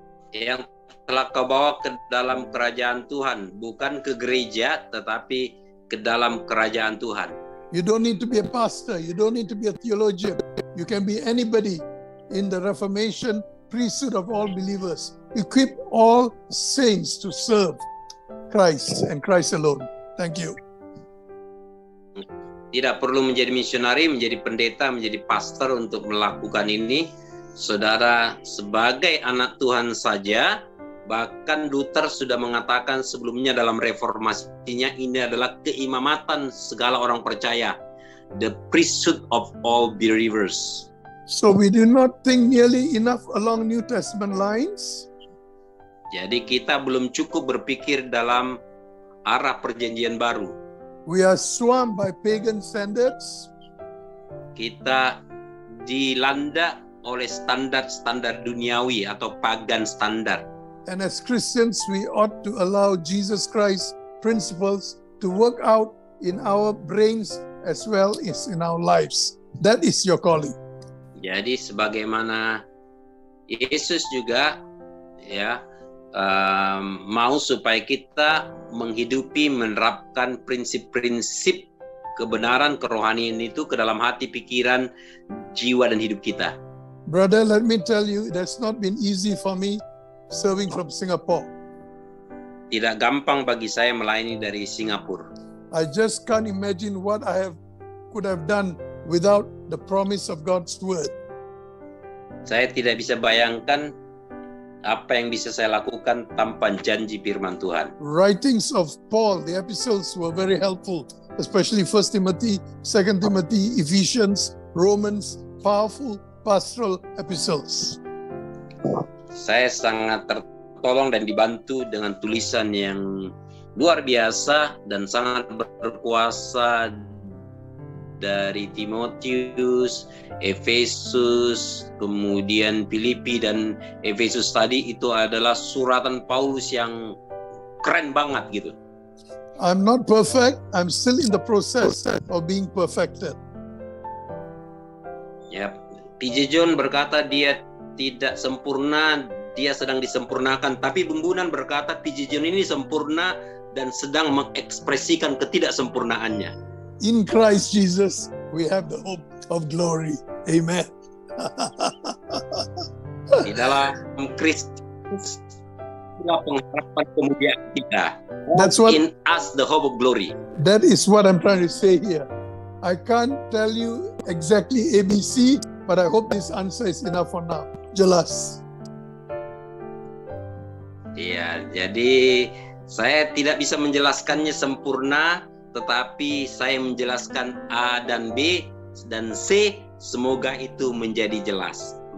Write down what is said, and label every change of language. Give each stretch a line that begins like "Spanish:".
Indonesian: Yang telah kau bawa ke dalam kerajaan Tuhan, bukan ke gereja, tetapi ke dalam kerajaan Tuhan.
English: You don't need to be a pastor, you don't need to be a theologian. You can be anybody in the Reformation priesthood of all believers. Equip all saints to serve Christ and Christ alone. Thank you.
Indonesian: Tidak perlu menjadi misionari, menjadi pendeta, menjadi pastor untuk melakukan ini. Saudara, sebagai anak Tuhan saja, bahkan Luther sudah mengatakan sebelumnya dalam reformasinya, ini adalah keimamatan segala orang percaya.
English: The priesthood of all believers. So we do not think nearly enough along New Testament lines.
Indonesian: Jadi kita belum cukup berpikir dalam arah perjanjian baru.
English: We are swamped by pagan standards.
Indonesian: Kita dilanda oleh standar-standar duniawi atau pagan standar.
English: And as Christians, we ought to allow Jesus Christ's principles to work out in our brains as well as in our lives. That is your calling.
Indonesian: Jadi sebagaimana Yesus juga ya mau supaya kita menghidupi menerapkan prinsip-prinsip kebenaran kerohanian itu ke dalam hati, pikiran, jiwa dan hidup kita.
English: Brother, let me tell you, it has not been easy for me serving from Singapore.
Indonesian: Tidak gampang bagi saya melayani dari Singapura.
English: I just can't imagine what I have could have done without the promise of God's word.
Indonesian: Saya tidak bisa bayangkan apa yang bisa saya lakukan tanpa janji firman Tuhan.
English: Writings of Paul, the epistles were very helpful, especially 1 Timothy, 2 Timothy, Ephesians, Romans, powerful pastoral epistles.
Indonesian: Saya sangat tertolong dan dibantu dengan tulisan yang luar biasa dan sangat berkuasa dari Timotius, Efesus, kemudian Filipi dan Efesus tadi, itu adalah suratan Paulus yang keren banget gitu.
English: I'm not perfect, I'm still in the process of being perfected.
Indonesian: Ya, P.J. John berkata dia tidak sempurna, dia sedang disempurnakan, tapi Bumbunan berkata P.J. John ini sempurna dan sedang mengekspresikan ketidaksempurnaannya.
English: In Christ Jesus, we have the hope of glory. Amen.
Indonesian: Di dalam Kristus, kita pengharapan kemuliaan kita.
English: That's what, in us, the hope of glory. That is what I'm trying to say here. I can't tell you exactly ABC, but I hope this answer is enough for now.
Indonesian: Jelas. Ya, jadi saya tidak bisa menjelaskannya sempurna, tetapi saya menjelaskan A dan B dan C, semoga itu menjadi jelas.